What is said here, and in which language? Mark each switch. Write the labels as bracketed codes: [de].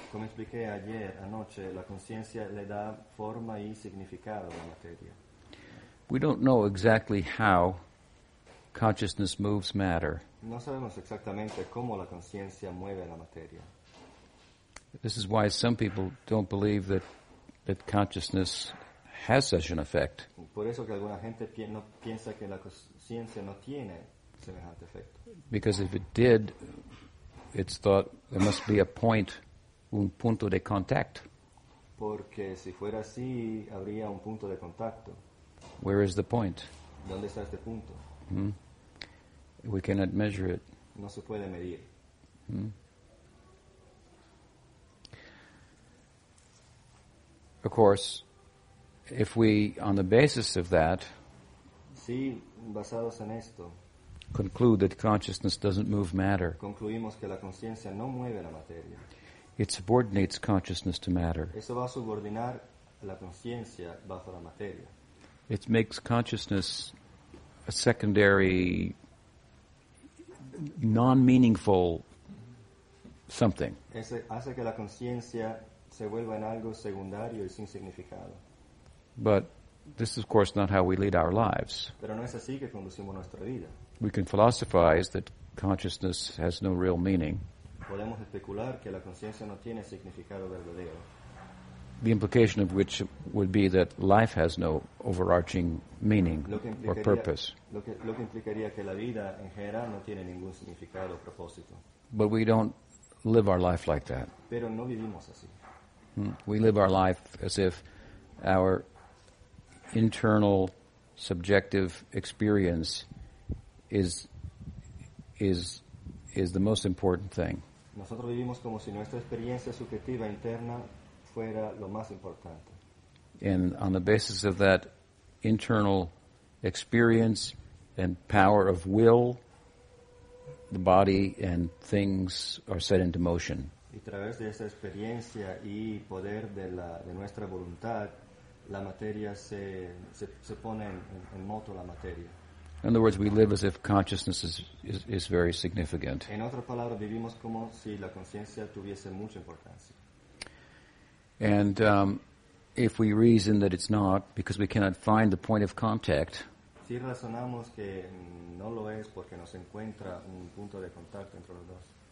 [es] Como expliqué ayer anoche, la conciencia le da forma y significado a la materia. [en] We don't know exactly how consciousness moves matter. [es] No sabemos exactamente cómo la conciencia mueve la materia. [en] This is why some people don't believe that consciousness has such an effect. [es] Por eso que alguna gente no piensa que la conciencia no tiene semejante efecto. [en] Because if it did, it's thought there must be a point, [es] un punto de [en] contact. [es] Porque si fuera así, habría un punto de contacto. [en] Where is the point? [es] ¿Dónde está este punto? [en] Mm-hmm. We cannot measure it. [es] No se puede medir. Mm-hmm. [en] Of course, if we, on the basis of that, [es] sí, basados en esto, [en] conclude that consciousness doesn't move matter, [es] concluimos que la conciencia no mueve la materia. [en] It subordinates consciousness to matter. [es] Eso va a subordinar la conciencia bajo la materia. [en] It makes consciousness a secondary, non-meaningful something. [es] Ese hace que la conciencia se vuelva en algo secundario y sin significado. [en] But this is, of course, not how we lead our lives. [es] Pero no es así que conducimos nuestra vida. [en] We can philosophize that consciousness has no real meaning. [es] Podemos especular que la conciencia no tiene significado verdadero. [en] The implication of which would be that life has no overarching meaning or purpose. [es] Lo que implicaría que la vida en general no tiene ningún significado o propósito. [en] But we don't live our life like that. [es] Pero no vivimos así. [en] We live our life as if our internal subjective experience is the most important thing. [es] Nosotros vivimos como si nuestra experiencia subjetiva interna fuera lo más importante. [en] And on the basis of that internal experience and power of will, the body and things are set into motion. [es] Y a través de esa experiencia y poder de nuestra voluntad, la materia se pone en moto la materia. [en] In other words, we live as if consciousness is very significant. [es] En otras palabras, vivimos como si la conciencia tuviese mucha importancia. [en] And if we reason that it's not, because we cannot find the point of contact, [es] si razonamos que no lo es porque no se encuentra un punto de contacto entre los dos,